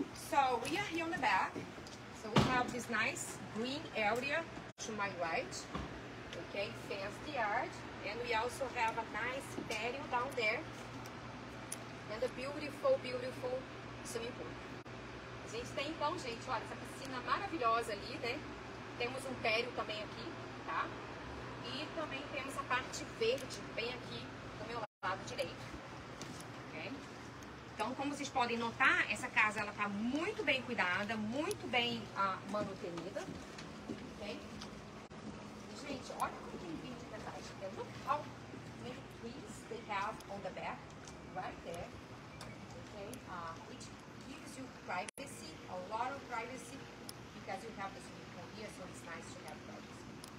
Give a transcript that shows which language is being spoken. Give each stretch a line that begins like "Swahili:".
English: So we are here on the back, so we have this nice green area to my right, okay, fenced yard, and we also have a nice patio down there, and a beautiful, beautiful swimming pool.
Portuguese: A gente tem então, gente, olha, essa piscina maravilhosa ali, né, temos patio também aqui, tá, e também temos a parte verde bem aqui do meu lado direito. Então, como vocês podem notar, essa casa ela está muito bem cuidada, muito bem manutenida. Okay. Gente, olha como tem vídeo de detalhes.
English: Look how many trees they have on the back, right there. Okay. Which gives you privacy, a lot of privacy, because you have the swimming pool here, so it's nice to have privacy.